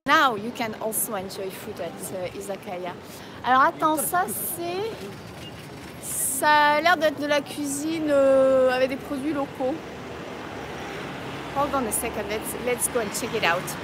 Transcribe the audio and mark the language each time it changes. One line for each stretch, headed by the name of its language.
English: Now, you can also enjoy food at izakaya.
French: Alors, attends, ça, c'est... Ça a l'air d'être de la cuisine avec des produits locaux.
English: Hold on a second, let's go and check it out.